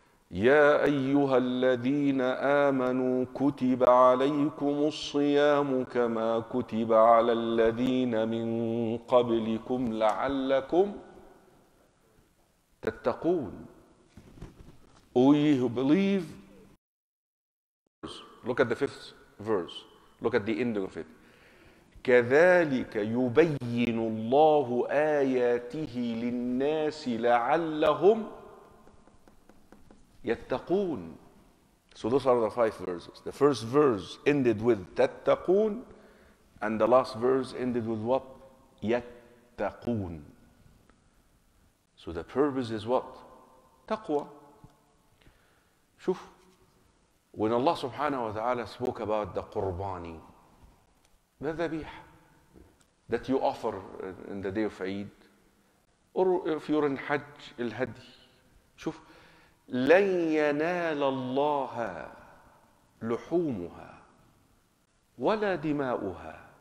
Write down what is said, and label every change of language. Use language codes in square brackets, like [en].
[ar] يا أيها الذين آمنوا كتب عليكم الصيام كما كتب على الذين من قبلكم لعلكم تتقون. [en] O ye who believe, look at the fifth verse. Look at the ending of it. [ar] كذلك يبين الله آياته للناس لعلهم يتقون. [en] So those are the five verses. The first verse ended with تتقون, and the last verse ended with what? يتقون. So the purpose is what? تقوى. شوف, when Allah subhanahu wa ta'ala spoke about the qurbani, the dhabih that you offer in the day of Eid, or if you're in Hajj, al-Hadi, شوف, [ar] لن ينال الله لحومها ولا دماؤها.